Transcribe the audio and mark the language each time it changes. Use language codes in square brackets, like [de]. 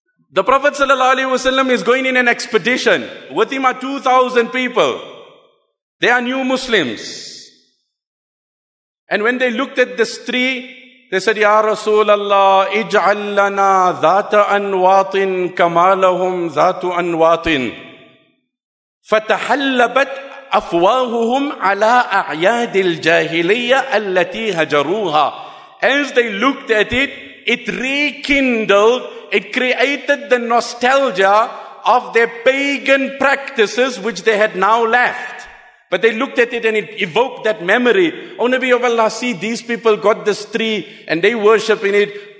[en] The Prophet sallallahu alaihi wasallam is going in an expedition. With him are 2,000 people. They are new Muslims. And when they looked at this tree, they said, Ya Rasulallah, [ar] ij'al lana dhata anwatin kama lahum dhatu anwatin. Fatahallabat أَفْوَاهُهُمْ عَلَىٰ أَعْيَادِ الْجَاهِلِيَّةِ الَّتِي هَجَرُوهَا. [en] As they looked at it, it rekindled, it created the nostalgia of their pagan practices which they had now left. But they looked at it and it evoked that memory. Oh Nabi of Allah, see these people got this tree and they worship in it.